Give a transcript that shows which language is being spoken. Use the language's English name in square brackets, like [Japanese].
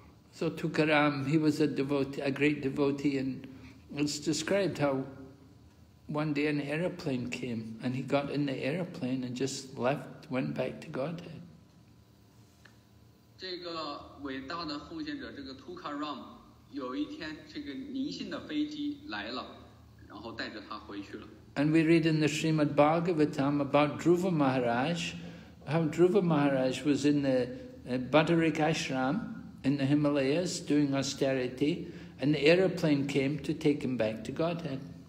[English] So Tukaram, he was a devotee, a great devotee, and it's described how one day an airplane came, and he got in the airplane and just left, went back to Godhead. [Chinese] 这个伟大的奉献者，这个 Tukaram, 有一天这个灵性的飞机来了，然后带着他回去了。 [English] And we read in the Srimad Bhagavatam about Dhruva Maharaj, how Dhruva Maharaj was in the Bhattarik Ashram in the Himalayas doing austerity, and the aeroplane came to take him back to Godhead.